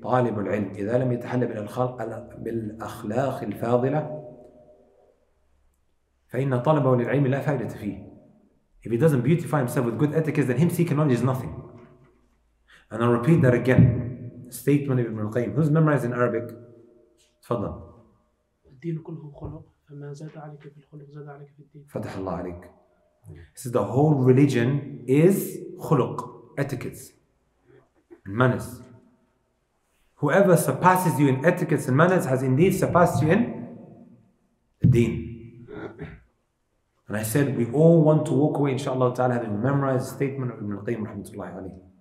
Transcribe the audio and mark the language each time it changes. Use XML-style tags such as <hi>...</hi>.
<ar>طالب العلم إذا لم يتحل بالأخلاق الفاضلة فإن طالبه للعلم لا فائدة فيه.</ar> <en>If he doesn't beautify himself with good etiquette, then him seeking knowledge is nothing. And I'll repeat that again. Statement of Ibn al-Qayyim. Who's memorizing Arabic?</en> <ar>تفضل. الدين كله خلق فما زاد عليك في الخلق زاد عليك في الدين. فتح الله عليك.</ar> <en>He says the whole religion is خلق, etiquettes, and manners. Whoever surpasses you in etiquettes and manners has indeed surpassed you in the deen. And I said, we all want to walk away, inshallah ta'ala, having memorized the statement of Ibn al-Qayyim, rahmatullahi alayhi.</en>